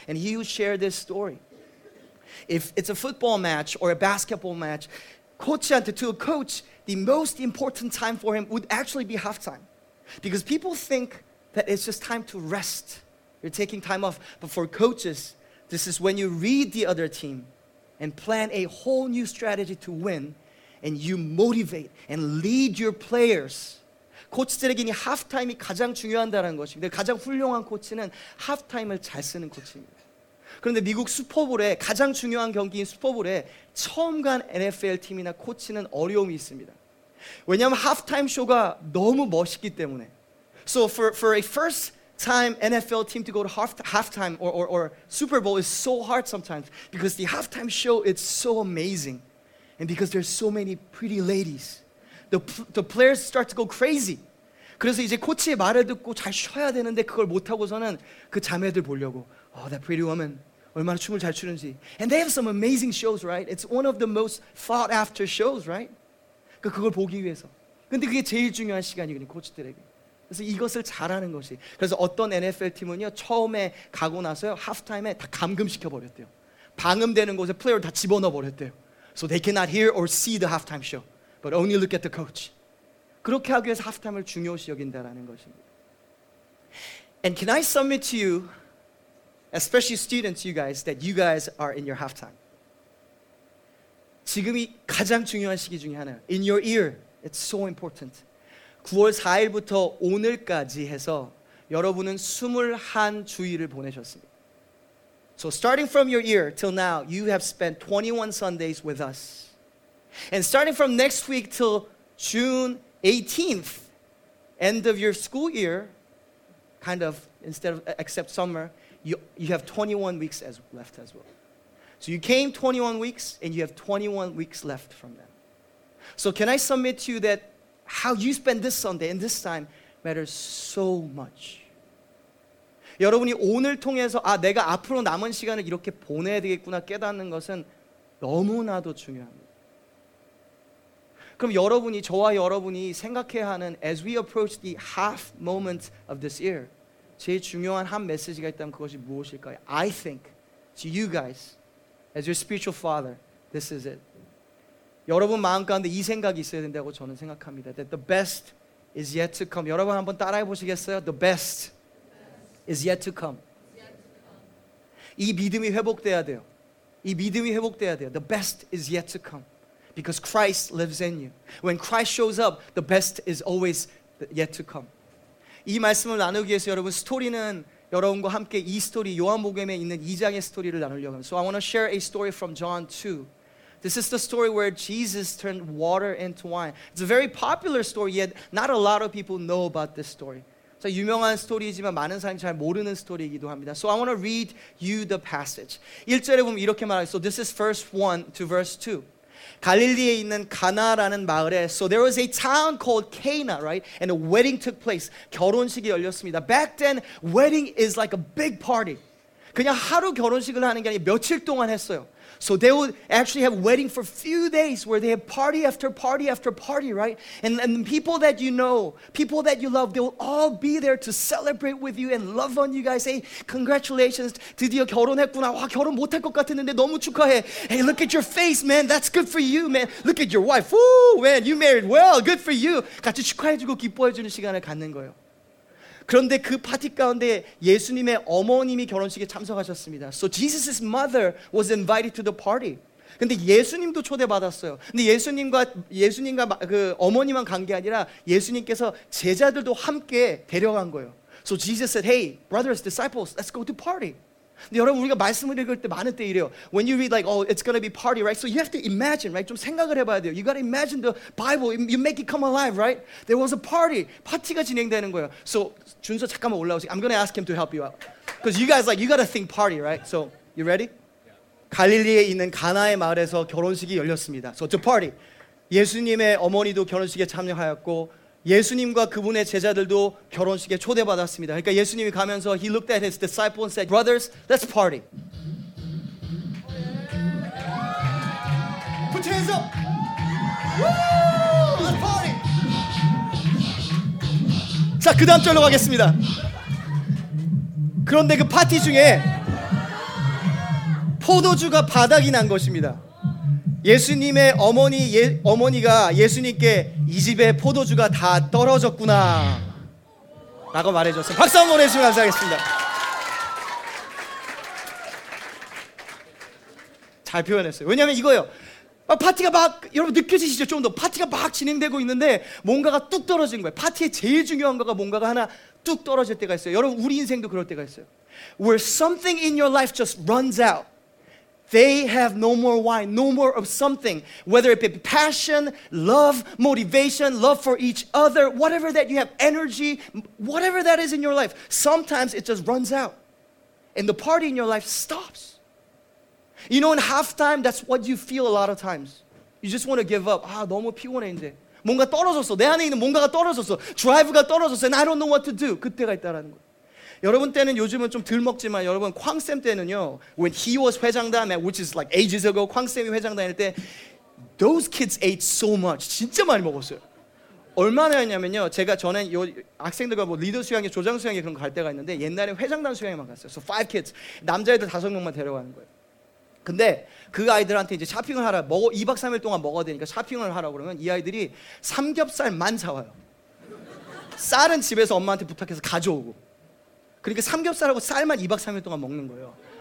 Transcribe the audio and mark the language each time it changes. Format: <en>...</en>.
<en>And he would share this story. If it's a football match or a basketball match, to a coach, the most important time for him would actually be halftime. Because people think that it's just time to rest. You're taking time off. But for coaches, this is when you read the other team and plan a whole new strategy to win, and you motivate and lead your players.</en> <ko>코치들에게는 하프타임이 가장 중요한다는 것입니다. 가장 훌륭한 코치는 하프타임을 잘 쓰는 코치입니다. 그런데 미국 슈퍼볼에 가장 중요한 경기인 슈퍼볼에 처음 간 NFL팀이나 코치는 어려움이 있습니다. 왜냐하면 하프타임 쇼가 너무 멋있기 때문에.</ko> <en>So for a first time NFL team to go to halftime or Super Bowl is so hard sometimes because the halftime show is so amazing. And because there's so many pretty ladies. The players start to go crazy.</en> <ko>그래서 이제 코치의 말을 듣고 잘 쉬어야 되는데 그걸 못하고서는 그 자매들 보려고.</ko> <en>Oh, that pretty woman.</en> <ko>얼마나 춤을 잘 추는지.</ko> <en>And they have some amazing shows, right? It's one of the most thought after shows, right?</en> <ko>그걸 보기 위해서. 근데 그게 제일 중요한 시간이거든요, 코치들에게. 그래서 이것을 잘하는 것이. 그래서 어떤 NFL팀은요, 처음에 가고 나서요, 하프타임에 다 감금시켜버렸대요. 방음되는 곳에 플레이어를 다 집어넣어버렸대요.</ko> <en>So they cannot hear or see the halftime show. But only look at the coach.</en> <ko>그렇게 하기 위해서 하프타임을 중요시 여긴다라는 것입니다.</ko> <en>And can I submit to you, especially students, you guys, that you guys are in your halftime.</en> <ko>지금이 가장 중요한 시기 중에 하나예요.</ko> <en>In your ear, it's so important.</en> <ko>9월 4일부터 오늘까지 해서 여러분은 21주일을 보내셨습니다.</ko> <en>So starting from your ear till now, you have spent 21 Sundays with us. And starting from next week till June 18th, end of your school year, kind of, instead of, except summer, you have 21 weeks as left as well. So you came 21 weeks, and you have 21 weeks left from them. So can I submit to you that how you spend this Sunday and this time matters so much.</en> <ko>여러분이 오늘 통해서 아 내가 앞으로 남은 시간을 이렇게 보내야 되겠구나 깨닫는 것은 너무나도 중요합니다. 그럼 여러분이, 저와 여러분이 생각해야 하는</ko> <en>as we approach the half moment of this year,</en> <ko>제일 중요한 한 메시지가 있다면 그것이 무엇일까요?</ko> <en>I think to you guys, as your spiritual father, this is it.</en> <ko>여러분 마음 가운데 이 생각이 있어야 된다고 저는 생각합니다.</ko> <en>That the best is yet to come.</en> <ko>여러분 한번 따라해 보시겠어요?</ko> <en>The best is yet to come.</en> <ko>이 믿음이 회복돼야 돼요.</ko> <en>이 믿음이 회복돼야 돼요. The best is yet to come. because Christ lives in you. When Christ shows up, the best is always yet to come.</en> <ko>이 말씀을 나누기 위해서 여러분 스토리는 여러분과 함께 이 스토리 요한복음에 있는 2장의 스토리를 나누려고 합니다.</ko> <en>So I want to share a story from John 2. This is the story where Jesus turned water into wine. It's a very popular story, yet not a lot of people know about this story.</en> <ko>So 유명한 스토리이지만 많은 사람이 잘 모르는 스토리이기도 합니다.</ko> <en>So I want to read you the passage.</en> <ko>1절에 보면 이렇게 말하죠.</ko> <en>So this is verse 1 to verse 2.</en> <ko>갈릴리에 있는 가나라는 마을에</ko> <en>So there was a town called Cana, right? And a wedding took place.</en> <ko>결혼식이 열렸습니다.</ko> <en>Back then, wedding is like a big party.</en> <ko>그냥 하루 결혼식을 하는 게 아니라 며칠 동안 했어요.</ko> <en>So they would actually have wedding for a few days where they have party after party after party, right? And people that you know, people that you love, they will all be there to celebrate with you and love on you guys. Hey, congratulations.</en> <ko>드디어 결혼했구나. 와, 결혼 못할 것 같았는데 너무 축하해.</ko> <en>Hey, look at your face, man. That's good for you, man. Look at your wife. Woo, man, you married well. Good for you.</en> <ko>같이 축하해주고 기뻐해주는 시간을 갖는 거예요. 그런데 그 파티 가운데 예수님의 어머님이 결혼식에 참석하셨습니다.</ko> <en>So Jesus' mother was invited to the party.</en> <ko>근데 예수님도 초대받았어요. 근데 예수님과 그 어머니만 간 게 아니라 예수님께서 제자들도 함께 데려간 거예요.</ko> <en>So Jesus said, hey, brothers, disciples, let's go to party.</en> <ko>근데 여러분 우리가 말씀을 읽을 때 많은 때 이래요.</ko> <en>When you read like, oh, it's going to be party, right? So you have to imagine, right?</en> <ko>좀 생각을 해봐야 돼요.</ko> <en>You got to imagine the Bible. You make it come alive, right? There was a party.</en> <ko>파티가 진행되는 거예요. So 준서 잠깐만 올라오세요.</ko> <en>I'm going to ask him to help you out. Because you guys like, you got to think party, right? So you ready?</en> <ko>갈릴리에 있는 가나의 마을에서 결혼식이 열렸습니다.</ko> <en>So it's a party.</en> <ko>예수님의 어머니도 결혼식에 참여하였고 예수님과 그분의 제자들도 결혼식에 초대받았습니다. 그러니까 예수님이 가면서</ko> <en>he looked at his disciples and said, "Brothers, let's party."</en> <ko>부채에서</ko> <en>Woo! Let's party.</en> <ko>자, 그 다음 절로 가겠습니다. 그런데 그 파티 중에 포도주가 바닥이 난 것입니다. 예수님의 어머니가 예수님께 이 집에 포도주가 다 떨어졌구나 라고 말해줬어요. 박수 한번 보내주시면 감사하겠습니다. 잘 표현했어요. 왜냐하면 이거예요. 파티가 막 여러분 느껴지시죠? 좀 더 파티가 막 진행되고 있는데 뭔가가 뚝 떨어진 거예요. 파티의 제일 중요한 거가 뭔가가 하나 뚝 떨어질 때가 있어요. 여러분 우리 인생도 그럴 때가 있어요.</ko> <en>Where something in your life just runs out. They have no more wine, no more of something. Whether it be passion, love, motivation, love for each other, whatever that you have, energy, whatever that is in your life, sometimes it just runs out. And the party in your life stops. You know, in halftime, that's what you feel a lot of times. You just want to give up.</en> <ko>아, 너무 피곤해, 이제. 뭔가 떨어졌어. 내 안에 있는 뭔가가 떨어졌어. 드라이브가 떨어졌어.</ko> <en>And I don't know what to do.</en> <ko>그때가 있다라는 거. 여러분 때는 요즘은 좀 덜 먹지만 여러분 쾅쌤 때는요</ko> <en>when he was</en> <ko>회장단</ko> <en>which is like ages ago</en> <ko>쾅쌤이 회장단 일 때</ko> <en>those kids ate so much</en> <ko>진짜 많이 먹었어요 얼마나 했냐면요 제가 전에 요 학생들과 뭐 리더 수양회 조장 수양회 그런 거 갈 때가 있는데 옛날에 회장단 수양회만 갔어요</ko> <en>so five kids</en> <ko>남자애들 다섯 명만 데려가는 거예요 근데 그 아이들한테 이제 샤핑을 하라 먹어 2박 3일 동안 먹어야 되니까 샤핑을 하라고 그러면 이 아이들이 삼겹살만 사와요 쌀은 집에서 엄마한테 부탁해서 가져오고 그러니까 삼겹살하고 쌀만 2박 3일 동안 먹는 거예요.</ko>